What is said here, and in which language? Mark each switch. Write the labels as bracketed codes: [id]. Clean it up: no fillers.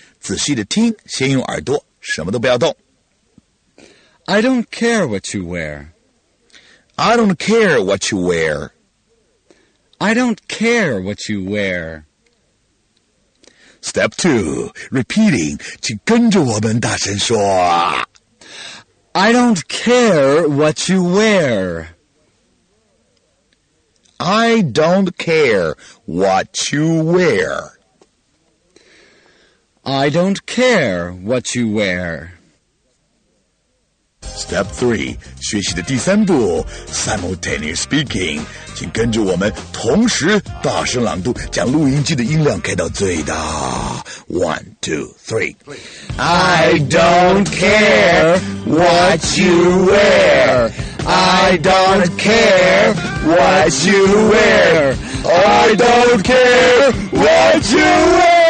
[zh] 仔细的听先用耳朵什么都不要动。 [en] I don't care what you wear. I don't care what you wear. I don't care what you wear. Step 2, repeating, [zh] 请跟着我们大声说。 [en] I don't care what you wear. I don't care what you wear. I don't care what you wear. Step 3, [zh] 学习的第三步 [en] simultaneous speaking. [zh] 请跟着我们同时大声朗读，将录音机的音量开到最大。 [en] 1, 2, 3。 I don't care what you wear. I don't care what you wear. I don't care what you wear.